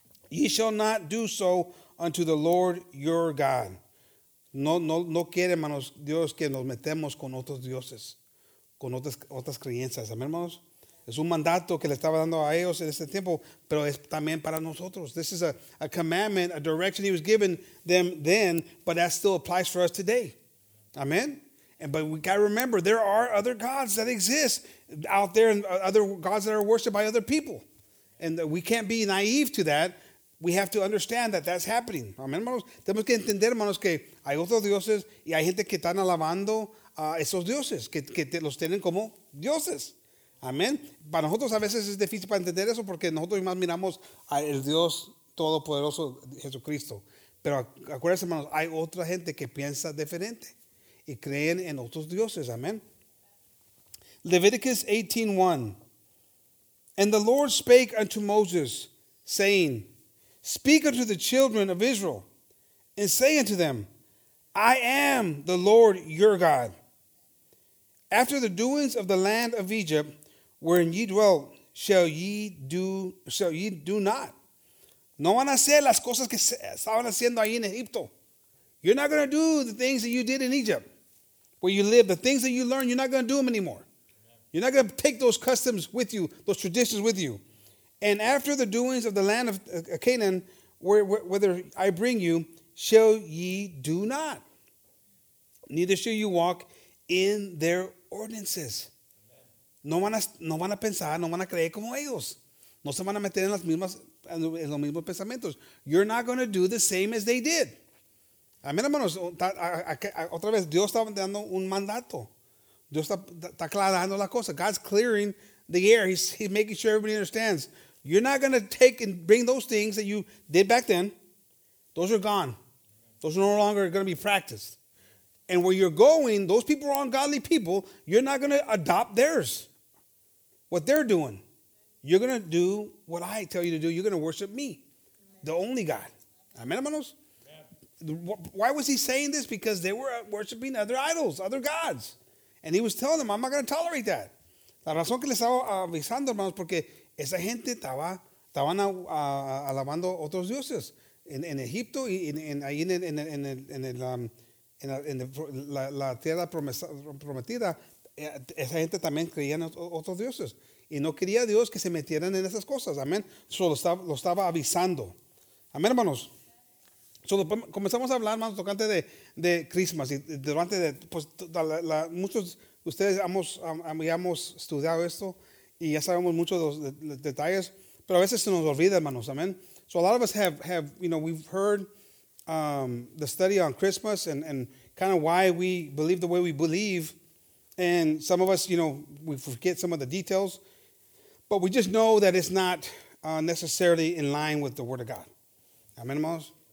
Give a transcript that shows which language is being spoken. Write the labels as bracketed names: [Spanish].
[English] "Ye shall not do so unto the Lord your God." [Spanish] No quiere, hermanos, Dios que nos metemos con otros dioses, con otras creencias. Amen, hermanos. Es un mandato que le estaba dando a ellos en este tiempo, pero es también para nosotros. [English] This is a commandment, a direction he was giving them then, but that still applies for us today. Amen? But we got to remember, there are other gods that exist out there, and other gods that are worshipped by other people. And we can't be naive to that. We have to understand that that's happening. Amen, hermanos? [Spanish] Tenemos que entender, hermanos, que hay otros dioses y hay gente que están alabando a esos dioses, que los tienen como dioses. Amén. Para nosotros a veces es difícil para entender eso porque nosotros más miramos al Dios Todopoderoso Jesucristo. Pero acuérdense, hermanos, hay otra gente que piensa diferente y creen en otros dioses. [English] Amén. Leviticus 18:1. "And the Lord spake unto Moses, saying, Speak unto the children of Israel, and say unto them, I am the Lord your God. After the doings of the land of Egypt, wherein ye dwell, shall ye do not. [Spanish] No van a hacer las cosas que estaban haciendo ahí en Egipto. [English] You're not going to do the things that you did in Egypt, where you live. The things that you learned, you're not going to do them anymore. You're not going to take those customs with you, those traditions with you. And after the doings of the land of Canaan, whither I bring you, shall ye do not. Neither shall you walk in their ordinances." [Spanish] No van a pensar, no van a creer como ellos. No se van a meter en los mismos pensamientos. [English] You're not going to do the same as they did. [Spanish] Amén, hermanos. Otra vez, Dios está dando un mandato. Dios está aclarando la cosa. [English] God's clearing the air. He's making sure everybody understands. You're not going to take and bring those things that you did back then. Those are gone. Those are no longer going to be practiced. And where you're going, those people are ungodly people. You're not going to adopt theirs, what they're doing. You're going to do what I tell you to do. You're going to worship me, the only God. Amen, hermanos? Why was he saying this? Because they were worshiping other idols, other gods. And he was telling them, I'm not going to tolerate that. [Spanish] La razón que les estaba avisando, hermanos, porque esa gente estaban alabando otros dioses en Egipto y ahí en la tierra prometida, esa gente también creía en otros dioses. Y no quería Dios que se metieran en esas cosas. Amén. Solo lo estaba avisando. Amén, hermanos. Solo comenzamos a hablar, hermanos, tocante de Christmas. Y durante muchos Ustedes hemos estudiado esto y ya sabemos muchos de los detalles, pero a veces se nos olvida, hermanos, amén. [English] So a lot of us have you know, we've heard the study on Christmas and kind of why we believe the way we believe. And some of us, you know, we forget some of the details, but we just know that it's not necessarily in line with the Word of God. Amen, hermanos?